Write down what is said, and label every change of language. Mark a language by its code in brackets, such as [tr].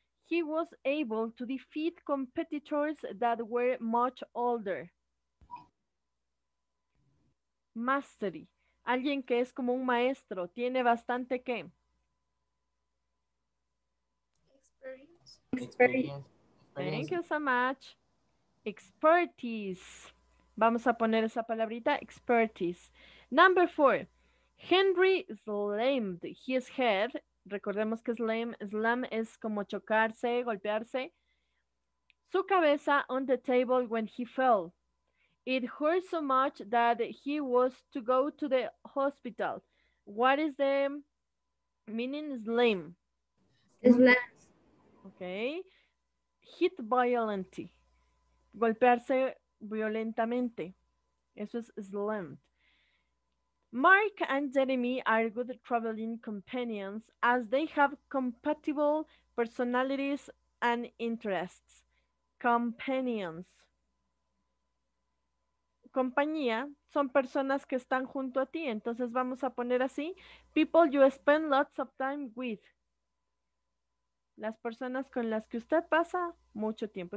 [en] He was able to defeat competitors that were much older. Mastery. [es] Alguien que es como un maestro, tiene bastante ¿qué? [en] Experience. Thank you so much. Expertise. [es] Vamos a poner esa palabrita, [en] expertise. Number four, Henry slammed his head. [es] Recordemos que slam es como chocarse, golpearse. Su cabeza [en] on the table when he fell. It hurt so much that he was to go to the hospital. What is the meaning slam? Slam. Okay. Hit violently. [es] Golpearse violentamente. Eso es slammed. [en] Mark and Jeremy are good traveling companions as they have compatible personalities and interests. Companions. [es] Compañía son personas que están junto a ti. Entonces vamos a poner así. [en] People you spend lots of time with. [es] Las personas con las que usted pasa mucho tiempo.